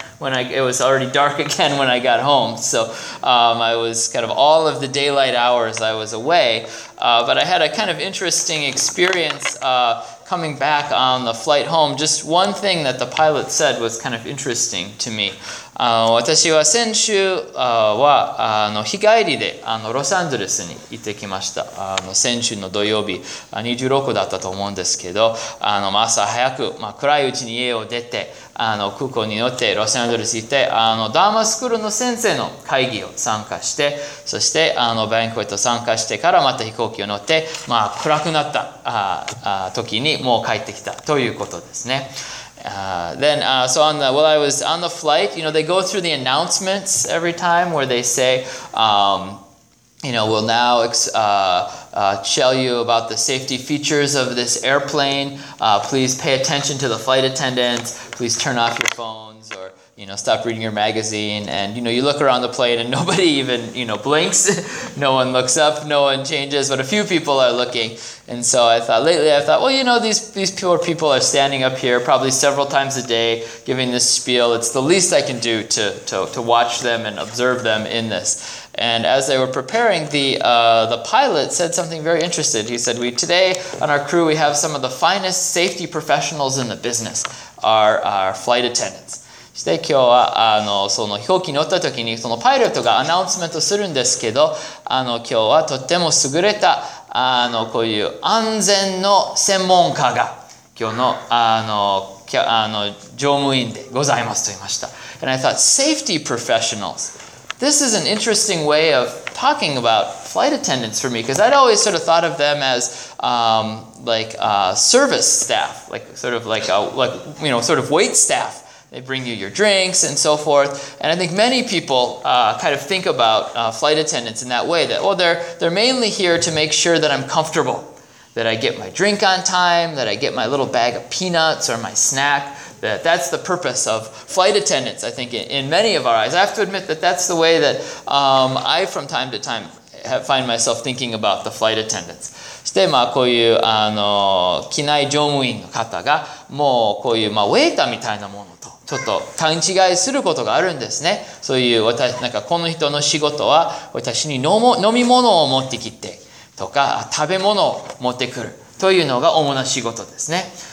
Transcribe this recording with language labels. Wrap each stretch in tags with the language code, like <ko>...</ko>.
<en>It was already dark again when I got home, so I was kind of all of the daylight hours I was away. But I had a kind of interesting experience coming back on the flight home. Just one thing that the pilot said was kind of interesting to me.</en> <ja>私は先週は日帰りでロサンゼルスに行ってきました。先週の土曜日26だったと思うんですけど、朝早く、暗いうちに家を出て空港に乗ってロサンゼルスに行ってダーマスクールの先生の会議を参加して、そしてバンクエット参加してからまた飛行機を乗って、暗くなった時にもう帰ってきたということですね。</ja> <en>While I was on the flight, you know, they go through the announcements every time where they say, we'll now tell you about the safety features of this airplane. Please pay attention to the flight attendants. Please turn off your phones or, stop reading your magazine. And, you look around the plane and nobody even, blinks. No one looks up. No one changes. But a few people are looking. And so I thought, these poor people are standing up here probably several times a day giving this spiel. It's the least I can do to watch them and observe them in this. And as they were preparing, the pilot said something very interesting. He said, today on our crew, we have some of the finest safety professionals in the business, our flight attendants.</en> <ja>で今日はその飛行機に乗った時にそのパイロットがアナウンスメントするんですけど今日はとっても優れたこういう安全の専門家が今日の、乗務員でございますと言いました。</ja> <en>And I thought, safety professionals. This is an interesting way of talking about flight attendants for me, because I'd always sort of thought of them as, like, service staff, like, sort of like, you know, sort of wait staff. They bring you your drinks and so forth. And I think many people, kind of think about, flight attendants in that way, that, well, they're mainly here to make sure that I'm comfortable. That I get my drink on time, that I get my little bag of peanuts or my snack, that's the purpose of flight attendants, I think, in many of our eyes. I have to admit that's the way that I, from time to time, find myself thinking about the flight attendants.</en> <ja>そして、まあ、こういう、機内乗務員の方が、もう、こういう、まあ、ウェイターみたいなものと、ちょっと、勘違いすることがあるんですね。そういう、私、なんか、この人の仕事は、私に飲み物を持ってきて、とか食べ物を持ってくるというのが主な仕事ですね。</ja>